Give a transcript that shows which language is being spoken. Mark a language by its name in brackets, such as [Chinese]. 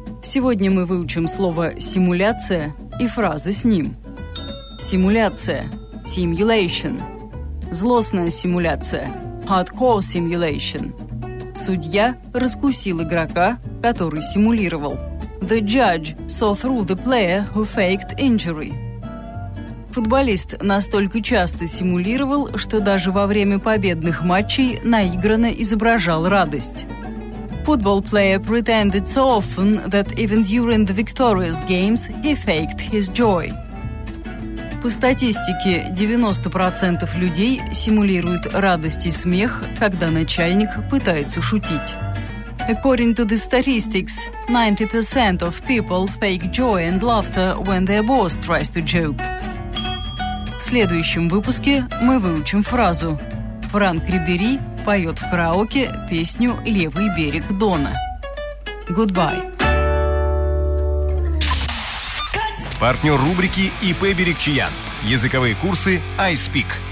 [Russian] Сегодня мы выучим слово симуляция и фразы с ним. Симуляция. [English] Simulation. [Russian] Злостная симуляция. [English] Hardcore simulation. [Russian] Судья раскусил игрока, который симулировал. [English] The judge saw through the player who faked injury. [Russian] Футболист настолько часто симулировал, что даже во время победных матчей наигранно изображал радость. [English] Football player pretended so often that even during the victorious games he faked his joy. [Russian] По статистике, 90% людей симулируют радость и смех, когда начальник пытается шутить. [English] According to the statistics, 90% of people fake joy and laughter when their boss tries to joke. [Russian] В следующем выпуске мы выучим фразу. Франк Рибери поет в караоке песню «Левый берег Дона». [English] Goodbye. [Russian] Партнер рубрики ИП «Берегчиян». Языковые курсы iSpeak.